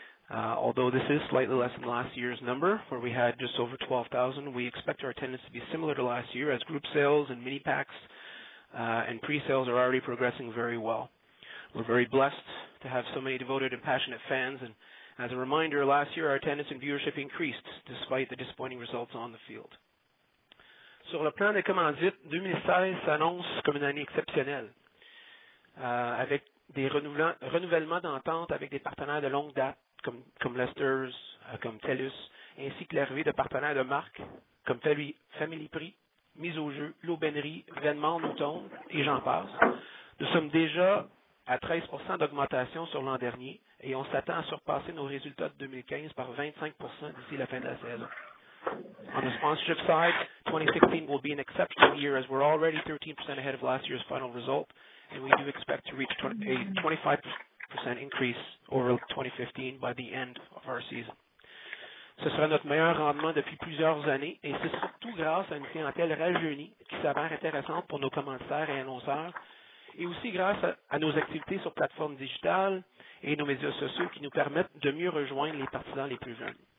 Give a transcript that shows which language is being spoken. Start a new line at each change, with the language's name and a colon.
English: Although this is slightly less than last year's number, where we had just over 12,000, we expect our attendance to be similar to last year as group sales and mini packs and pre-sales are already progressing very well. We're very blessed to have so many devoted and passionate fans. And as a reminder, last year our attendance and viewership increased despite the disappointing results on the field.
French: Sur le plan des commandites, 2016 s'annonce comme une année exceptionnelle, avec des renouvellements d'entente avec des partenaires de longue date, comme Lester's, comme TELUS, ainsi que l'arrivée de partenaires de marque, comme Family Prix, Mise au jeu, L'Aubainerie, Vennemort, Mouton, et j'en passe. Nous sommes déjà à 13% d'augmentation sur l'an dernier et on s'attend à surpasser nos résultats de 2015 par 25% d'ici la fin de la saison.
English: On the sponsorship side, 2016 will be an exceptional year as we're already 13% ahead of last year's final result and we do expect to reach a 25% increase over 2015 by the end of our season.
French: Ce sera notre meilleur rendement depuis plusieurs années et c'est surtout grâce à une clientèle rajeunie qui s'avère intéressante pour nos commanditaires et annonceurs et aussi grâce à nos activités sur plateforme digitale et nos médias sociaux qui nous permettent de mieux rejoindre les partisans les plus jeunes.